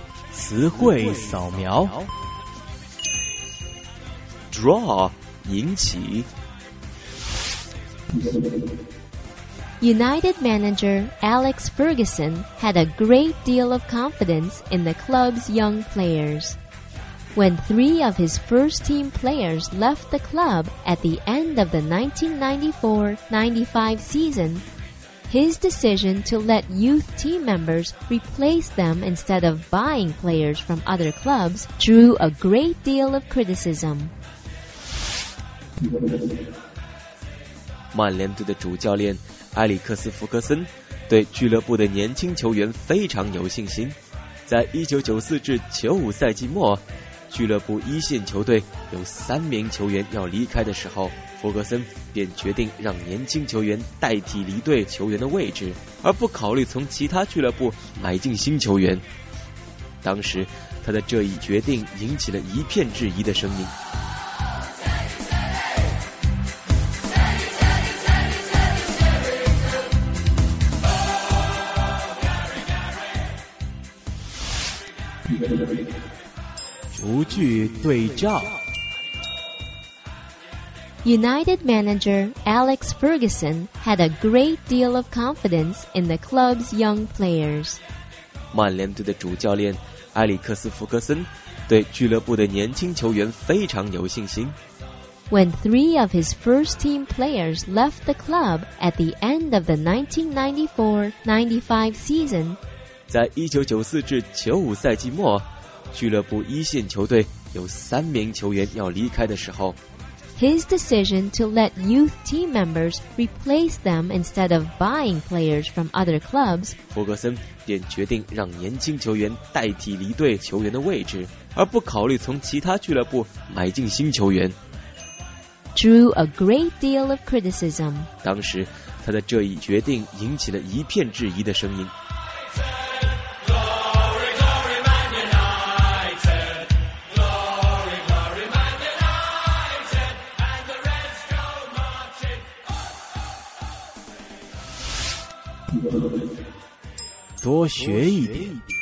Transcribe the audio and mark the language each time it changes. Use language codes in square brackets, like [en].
[zh] 词汇扫描 ，draw 引起。 [en] United manager Alex Ferguson had a great deal of confidence in the club's young players. When three of his first team players left the club at the end of the 1994-95 season, his decision to let youth team members replace them instead of buying players from other clubs drew a great deal of criticism. [zh] 曼联队的主教练埃里克斯·福格森对俱乐部的年轻球员非常有信心。在1994至95赛季末，俱乐部一线球队有三名球员要离开的时候，福格森便决定让年轻球员代替离队球员的位置，而不考虑从其他俱乐部买进新球员。当时他的这一决定引起了一片质疑的声音。逐句对照。 [en] United manager Alex Ferguson had a great deal of confidence in the club's young players. [zh] 曼联队的主教练埃里克斯·福格森对俱乐部的年轻球员非常有信心。 [en] When three of his first team players left the club at the end of the 1994-95 season, [zh] 在1994至95赛季末。俱乐部一线球队有三名球员要离开的时候 [en] His decision to let youth team members replace them instead of buying players from other clubs [zh] 福格森便决定让年轻球员代替离队球员的位置而不考虑从其他俱乐部买进新球员 [en] drew a great deal of criticism [zh] 当时他的这一决定引起了一片质疑的声音多学一点。